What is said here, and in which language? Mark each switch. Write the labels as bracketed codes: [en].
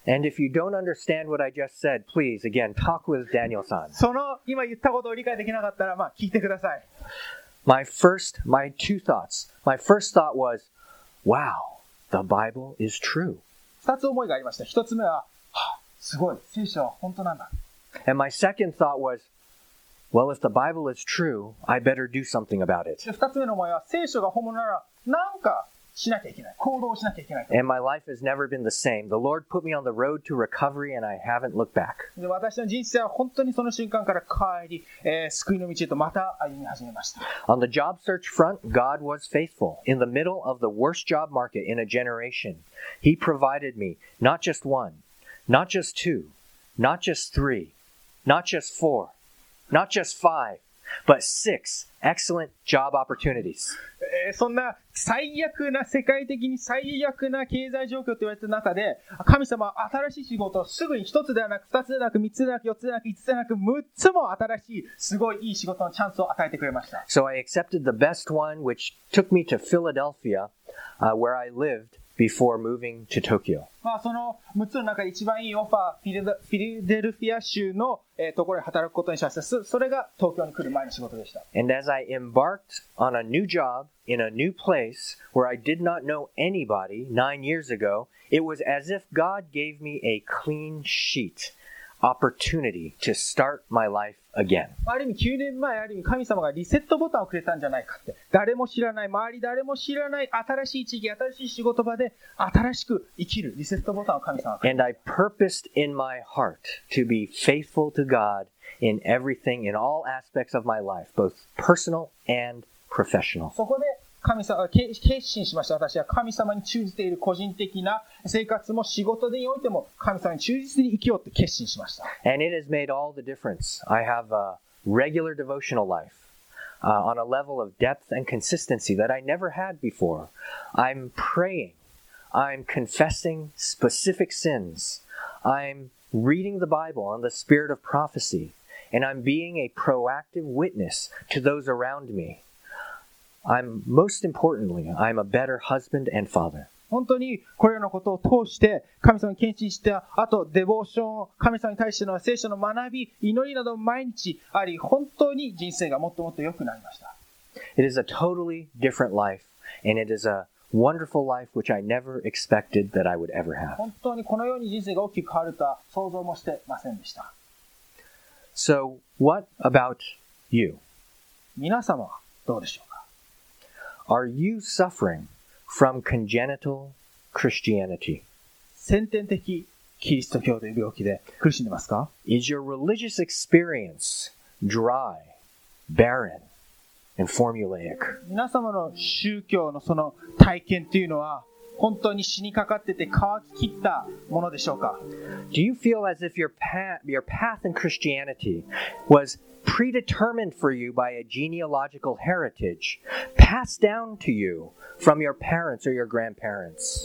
[en] And if you don't understand what I just said, please, again, talk with Daniel san. [ja] その今言ったことを理解できなかったら、まあ聞いてください。 [en] My first thought was, wow, the Bible is true. [ja] 二つ思いがありました。一つ目は、すごい、聖書は本当なんだ。 [en] And my second thought was, well, if the Bible is true, I better do something about it. [ja] 二つ目の思いは、聖書が本物なら、なんかしなきゃいけない。行動しなきゃいけない。 [en] And my life has never been the same. The Lord put me on the road to recovery and I haven't looked back. [ja] で、私の人生は本当にその瞬間から帰り、救いの道へとまた歩み始めました。 [en] On the job search front, God was faithful. In the middle of the worst job market in a generation, He provided me not just one, not just two, not just three, not just four, not just five. But six excellent job opportunities. [ja] そんな最悪な世界的に最悪な経済状況と言われた中で、神様は新しい仕事をすぐに一つではなく、二つではなく、三つではなく、四つではなく、五つではなく、六つも新しいすごいいい仕事のチャンスを与えてくれました。 [en] So I accepted the best one, which took me to Philadelphia, where I lived. Before moving to Tokyo. [ja] まあその6つの中で一番いいオファー、フィラデルフィア州のところで働くことにしました。それが東京に来る前の仕事でした。 [en] And as I embarked on a new job in a new place where I did not know anybody 9 years ago, it was as if God gave me a clean sheet. Opportunity to start my life again. [ja] ある意味9年前、ある意味神様がリセットボタンをくれたんじゃないかって、誰も知らない、周り誰も知らない新しい地域、新しい仕事場で新しく生きるリセットボタンを神様がくれた。 [en] And I purposed in my heart to be faithful to God in everything, in all aspects of my life, both personal and professional. [ja] そこで神様が決心しました。私は神様に忠実でいる個人的な生活も仕事でにおいても神様に忠実に生きようって決心しました。 [en] And it has made all the difference. I have a regular devotional life, on a level of depth and consistency that I never had before. I'm praying. I'm confessing specific sins. I'm reading the Bible on the spirit of prophecy. And I'm being a proactive witness to those around me. I'm most importantly, I'm a better husband and father. [ja] 本当にこれらのことを通して神様に献身した後、デボーション、神様に対しての聖書の学び、祈りなど毎日あり、本当に人生がもっともっと良くなりました。 [en] It is a totally different life, and it is a wonderful life which I never expected that I would ever have. [ja] 本当にこのように人生が大きく変わるとは想像もしてませんでした。 [en] So, what about you? [ja] 皆様はどうでしょうか？ [en] Are you suffering from congenital Christianity? [ja] 先天的キリスト教という病気で苦しんでますか? [en] Is your religious experience dry, barren, and formulaic? [ja] 皆様の宗教のその体験というのは本当に死にかかってて乾ききったものでしょうか? [en] Do you feel as if your path in Christianity was predetermined for you by a genealogical heritage passed down to you from your parents or your grandparents?